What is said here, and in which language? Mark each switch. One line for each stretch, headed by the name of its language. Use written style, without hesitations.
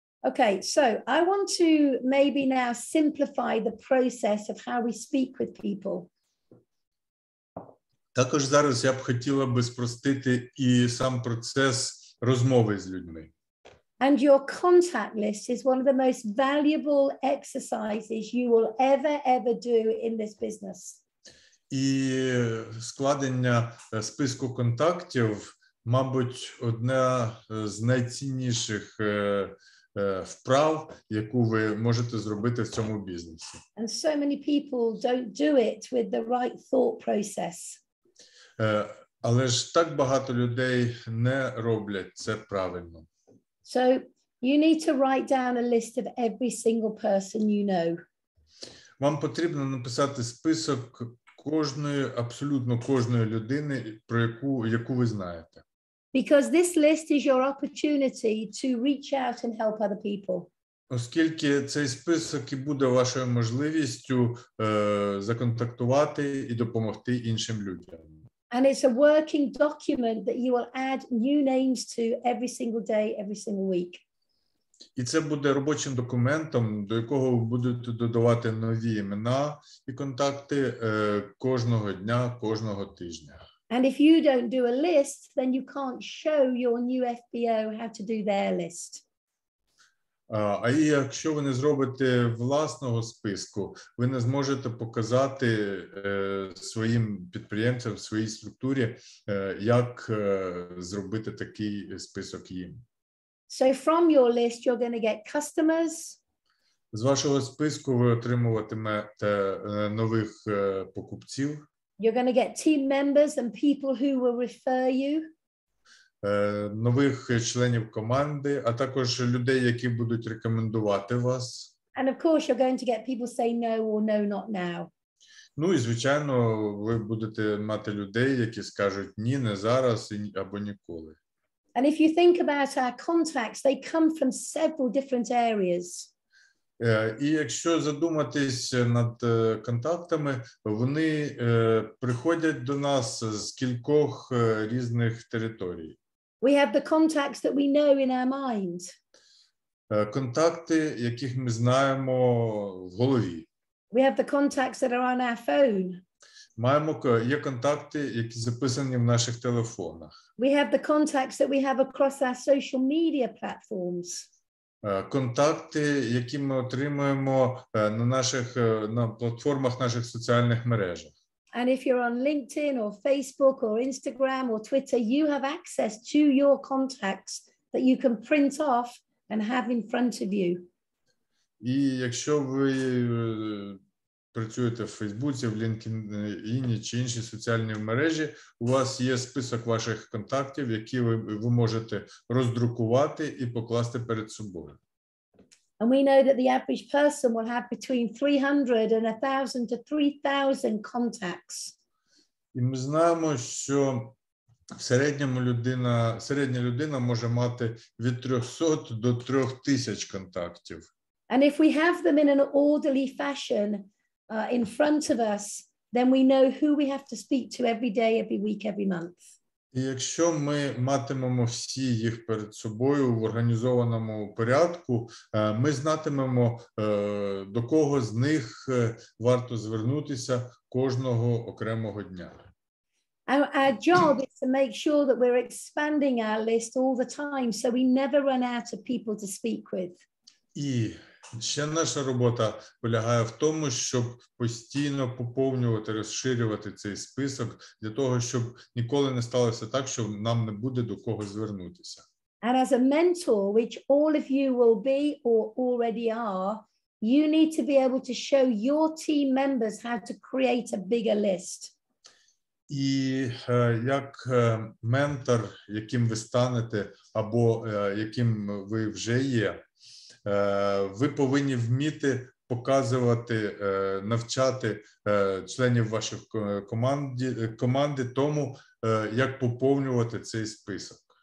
English: Okay, so I want to maybe now simplify the process of how we speak with people.
Ukrainian: Також зараз я б хотіла би спростити і сам процес розмови з людьми.
English: And your contact list is one of the most valuable exercises you will ever do in this business.
Ukrainian: І складення списку контактів, мабуть, одна з найцінніших вправ, яку ви можете зробити в цьому бізнесі.
English: And so many people don't do it with the right thought process.
Ukrainian: Але ж так багато людей не роблять це правильно.
English: So you need to write down a list of every single person you know.
Ukrainian: Вам потрібно написати список кожної, абсолютно кожної людини, про яку ви знаєте.
English: Because this list is your opportunity to reach out and help other people.
Ukrainian: Оскільки цей список і буде вашою можливістю законтактувати і допомогти іншим людям.
English: And it's a working document that you will add new names to every single day, every single week.
Ukrainian: І це буде робочим документом, до якого будуть додавати нові імена і контакти кожного дня, кожного тижня.
English: And if you don't do a list, then you can't show your new FBO how to do their list.
Ukrainian: А якщо ви не зробите власного списку, ви не зможете показати своїм підприємцям, своїй структурі, як зробити такий список їм.
English: So from your list you're going to get customers.
Ukrainian: З вашого списку ви отримуватимете нових покупців.
English: You're going to get team members and people who will refer you.
Ukrainian: Нових членів команди, а також людей, які будуть рекомендувати вас.
English: And of course you're going to get people say no or no not now.
Ukrainian: Ну і звичайно, ви будете мати людей, які скажуть ні, не зараз або ніколи.
English: And if you think about our contacts, they come from several different areas.
Ukrainian: І якщо задуматись над контактами, вони приходять до нас з кількох різних територій.
English: We have the contacts that we know in our mind.
Ukrainian: Контакти, яких ми знаємо в голові.
English: We have the contacts that are on our phone.
Ukrainian: Маємо є контакти, які записані в наших телефонах.
English: We have the contacts that we have across our social media platforms.
Ukrainian: Контакти, які ми отримуємо на наших на платформах наших соціальних мережах.
English: And if you're on LinkedIn or Facebook or Instagram or Twitter, you have access to your contacts that you can print off and have in front of you.
Ukrainian: І якщо ви працюєте в Фейсбуці, в LinkedIn чи інші соціальні мережі, у вас є список ваших контактів, які ви можете роздрукувати і покласти перед собою.
English: And we know that the average person will have between 300 and 1,000 to 3,000 contacts.
Ukrainian: І ми знаємо, що в середньому середня людина може мати від 300 до 3000 контактів.
English: And if we have them in an orderly fashion, in front of us, then we know who we have to speak to every day, every week, every month.
Ukrainian: І якщо ми матимемо всі їх перед собою в організованому порядку, ми знатимемо, до кого з них варто звернутися кожного окремого дня.
English: Our job is to make sure that we're expanding our list all the time, so we never run out of people to speak with.
Ukrainian: І ще наша робота полягає в тому, щоб постійно поповнювати, розширювати цей список для того, щоб ніколи не сталося так, що нам не буде до кого звернутися.
English: And as a mentor, which all of you will be or already are, you need to be able to show your team members how to create a bigger list.
Ukrainian: І як ментор, яким ви станете або яким ви вже є, ви повинні вміти показувати, навчати членів ваших команди тому, як поповнювати цей список.